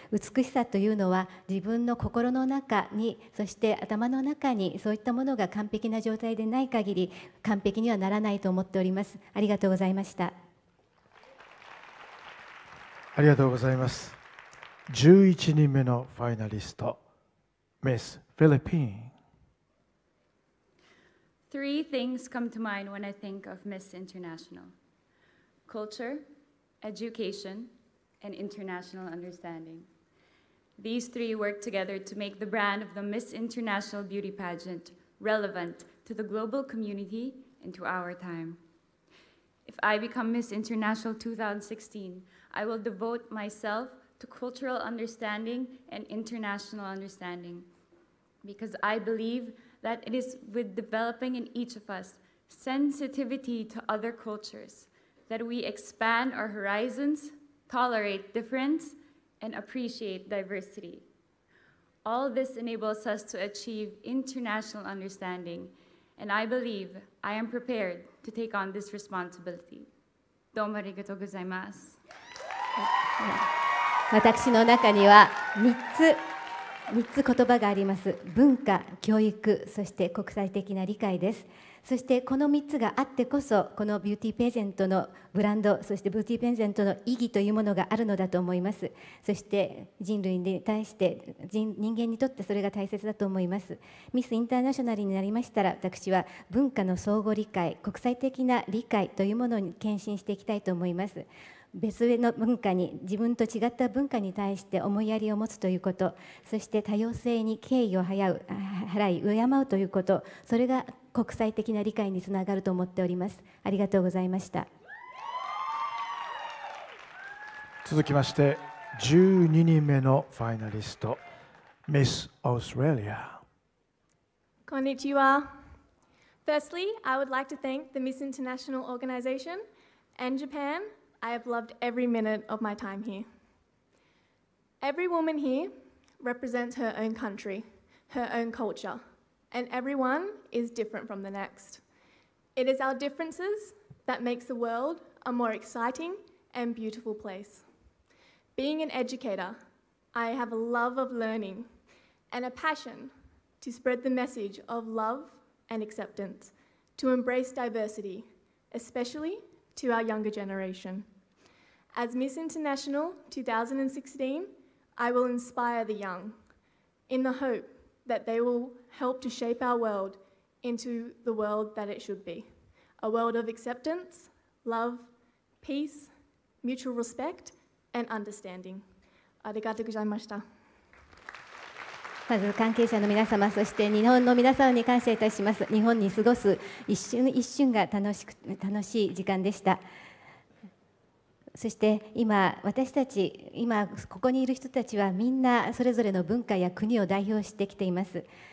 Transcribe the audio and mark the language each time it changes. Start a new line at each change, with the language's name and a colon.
Japanese: 美しさというのは自分の心の中に、そして頭の中に、そういったものが完璧な状態でない限り完璧にはならないと思っております。ありがとうございました。ありがとうございます。11人目のファイナリスト、ミス・フィリピン。
English: Three things come to mind when I think of Miss International. Culture, education, and international understanding. These three work together to make the brand of the Miss International Beauty Pageant relevant to the global community and to our time. If I become Miss International 2016, I will devote myself to cultural understanding and international understanding, because I believe that it is with developing in each of us sensitivity to other cultures that we expand our horizons, tolerate difference, and appreciate diversity. All this enables us to achieve international understanding, and I believe I am prepared to take on this responsibility.
Japanese: どうもありがとうございます。私の中には3つ言葉があります。文化、教育、そして国際的な理解です。そしてこの3つがあってこそこのビューティーペジェントのブランド、そしてビューティーペジェントの意義というものがあるのだと思います。そして人類に対して 人間にとってそれが大切だと思います。ミスインターナショナルになりましたら、私は文化の相互理解、国際的な理解というものに献身していきたいと思います。別の文化に、自分と違った文化に対して思いやりを持つということ、そして多様性に敬意を敬うということ、それが国際的な理解につながると思っております。ありがとうございました。続きまして12人目のファイナリスト、ミス・オーストラリア。こんにちは。
English: Firstly, I would like to thank the Miss International Organization and JapanI have loved every minute of my time here. Every woman here represents her own country, her own culture, and everyone is different from the next. It is our differences that makes the world a more exciting and beautiful place. Being an educator, I have a love of learning and a passion to spread the message of love and acceptance, to embrace diversity, especially to our younger generation. As Miss International 2016, I will inspire the young in the hope that they will help to shape our world into the world that it should be. A world of acceptance, love, peace, mutual respect, and understanding.
Japanese: ありがとうございました。まず関係者の皆様、そして日本の皆様に感謝いたします。日本に過ごす一瞬一瞬が楽しい時間でした。そして今私たち、今ここにいる人たちはみんなそれぞれの文化や国を代表してきています。